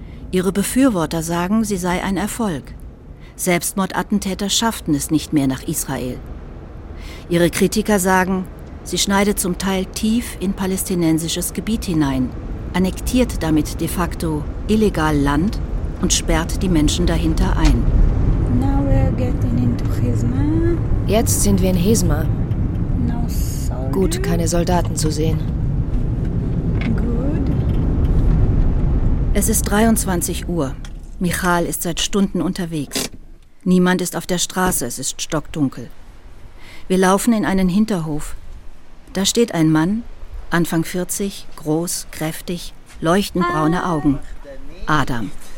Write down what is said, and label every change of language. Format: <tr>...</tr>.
<de>Ihre Befürworter sagen, sie sei ein Erfolg. Selbstmordattentäter schafften es nicht mehr nach Israel. Ihre Kritiker sagen, sie schneidet zum Teil tief in palästinensisches Gebiet hinein, annektiert damit de facto illegal Land und sperrt die Menschen dahinter ein.</de> <en>Now we're getting into Hesma.</en> <de>Jetzt sind wir in Hesma.</de> <en>No,</en> <de>gut, keine Soldaten zu sehen.</de> <en>Good.</en> <de>Es ist 23 Uhr. Michal ist seit Stunden unterwegs. Niemand ist auf der Straße, es ist stockdunkel. Wir laufen in einen Hinterhof. Da steht ein Mann, Anfang 40, groß, kräftig, leuchtend braune Augen. Adam.</de>